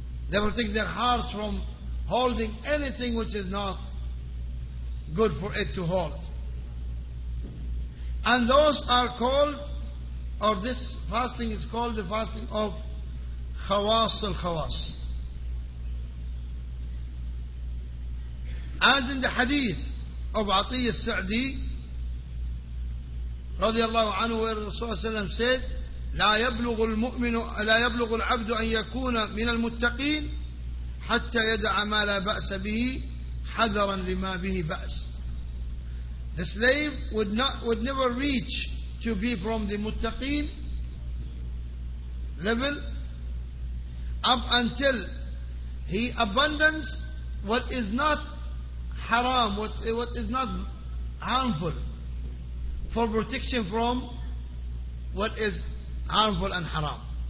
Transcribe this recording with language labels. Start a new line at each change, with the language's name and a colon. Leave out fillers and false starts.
English: They protect their hearts from holding anything which is not good for it to hold. And those are called, or this fasting is called the fasting of khawas al-khawas. As in the hadith of Atiyya al-Sa'di radiyallahu anhu, where Rasulullah said,
Arabic: لَا يَبْلُغُ الْمُؤْمِنُ لَا يَبْلُغُ الْعَبْدُ أَنْ يَكُونَ مِنَ الْمُتَّقِينَ حَتَّى يَدَعَ مَا لَا بَأْسَ بِهِ حَذَرًا لِمَا بِهِ بَأْسٍ.
English: The slave would never reach to be from the muttaqin level up until he abandons what is not haram, what is not harmful, for protection from what is harmful and haram.